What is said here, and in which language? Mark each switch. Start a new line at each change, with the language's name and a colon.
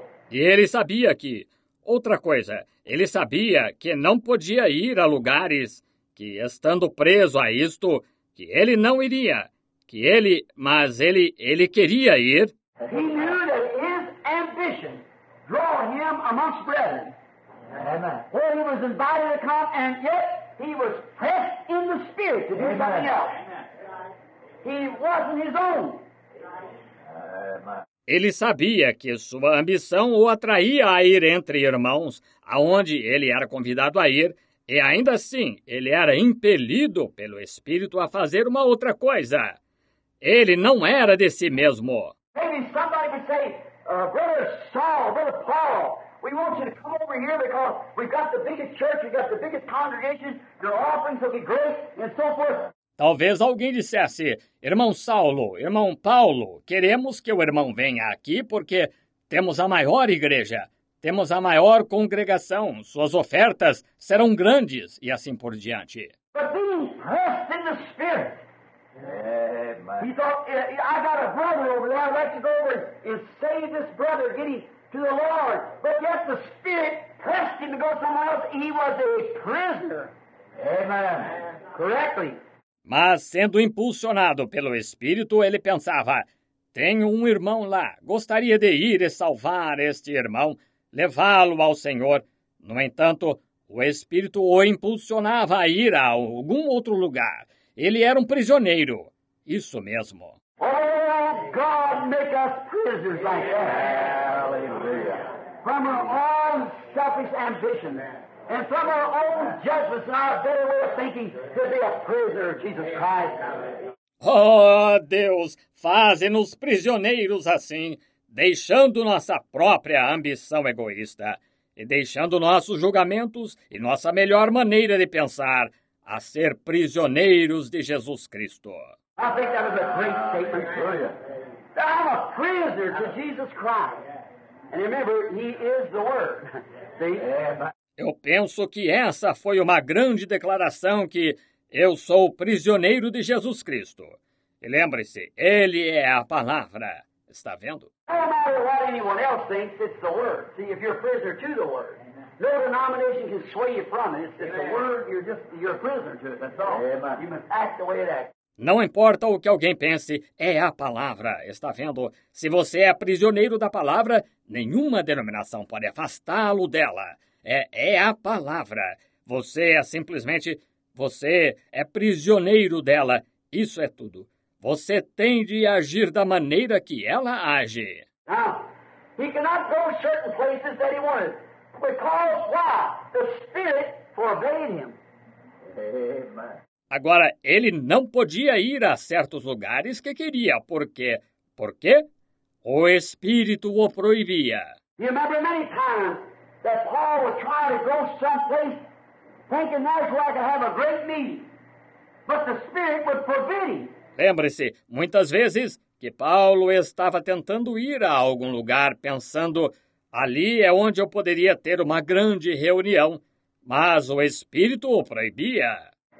Portuguese: E ele sabia que, outra coisa, ele sabia que não podia ir a lugares, que estando preso a isto, que ele não iria, que ele, mas ele queria ir.
English: He knew that his ambition draw him amongst brethren, where he was invited to come, and yet he was pressed in the spirit to do something else. He wasn't his own.
Portuguese: Ele sabia que sua ambição o atraía a ir entre irmãos, aonde ele era convidado a ir, e ainda assim ele era impelido pelo Espírito a fazer uma outra coisa. Ele não era de si mesmo.
English: Maybe somebody could say, Brother Saul, Brother Paul, we want you to come over here because we've got the biggest church, we've got the biggest congregation, your offerings will be great, and so forth.
Portuguese: Talvez alguém dissesse, irmão Saulo, irmão Paulo, queremos que o irmão venha aqui porque temos a maior igreja, temos a maior congregação, suas ofertas serão grandes e assim por diante.
English: But being pressed in the spirit, he thought, I got a brother over there, I'd like to go over and save this brother, get him to the Lord. But yet the spirit pressed him to go somewhere else, he was a prisoner. Amen. Correctly.
Portuguese: Mas, sendo impulsionado pelo Espírito, ele pensava, tenho um irmão lá, gostaria de ir e salvar este irmão, levá-lo ao Senhor. No entanto, o Espírito o impulsionava a ir a algum outro lugar. Ele era um prisioneiro. Isso mesmo.
English: Oh, God, make us prisoners like that. Hallelujah. From our own selfish ambition, and from our own judgments and our better way of thinking to be a prisoner of Jesus Christ.
Portuguese: Oh, Deus, faze-nos prisioneiros assim, deixando nossa própria ambição egoísta e deixando nossos julgamentos e nossa melhor maneira de pensar a ser prisioneiros de Jesus Cristo.
English: I think that is a great statement for you. I'm a prisoner to Jesus Christ. And remember, he is the word. See?
Portuguese: Eu penso que essa foi uma grande declaração que eu sou prisioneiro de Jesus Cristo. E lembre-se, ele é a palavra. Está vendo?
English: No matter what anyone else thinks, it's the word. See, if you're a prisoner to the word. No denomination can sway you from it. It's the word, you're a prisoner to it. That's all. You must act the way it acts.
Portuguese: Não importa o que alguém pense, é a palavra. Está vendo? Se você é prisioneiro da palavra, nenhuma denominação pode afastá-lo dela. É a palavra. Você é simplesmente... Você é prisioneiro dela. Isso é tudo. Você tem de agir da maneira que ela age.
English: Now, he cannot go certain places that he wanted. Because why? The Spirit forbade him.
Portuguese: Agora, ele não podia ir a certos lugares que queria. Por quê? Porque o Espírito o proibia.
English: You remember many times that Paul would try to go someplace thinking that's where I could have a great meeting. But the Spirit would forbid him.
Portuguese: Lembre-se, muitas vezes, que Paulo estava tentando ir a algum lugar, pensando, ali é onde eu poderia ter uma grande reunião, mas o Espírito o proibia.